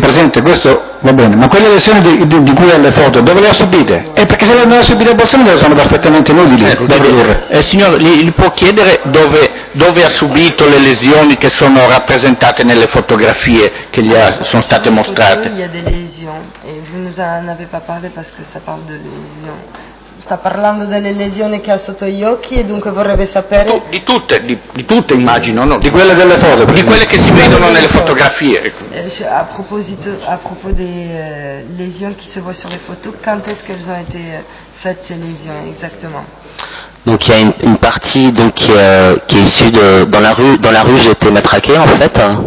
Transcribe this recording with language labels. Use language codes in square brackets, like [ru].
[it] Sì, presente, questo va bene, ma quelle lesioni di cui ha le foto, dove le ha subite? Perché se le hanno subite a Bolzano sono perfettamente inutili da produrre. Signor, gli può chiedere dove ha subito le lesioni che sono rappresentate nelle fotografie che gli sono state mostrate? [fr] Il y a des lesions, e vous nous en avez pas parlé parce que ça parle de lesions. [it] Sta parlando delle lesioni che ha sotto gli occhi e dunque vorrebbe sapere... Di tutte immagino, no? Di quelle delle foto, di quelle che si vedono nelle fotografie. A proposito delle lesioni che si vedono sulle foto, quando è che sono state fatte queste lesioni, esattamente? [fr] Donc il y a une partie donc, qui est issue de... Dans la rue j'ai été matraqué, en fait.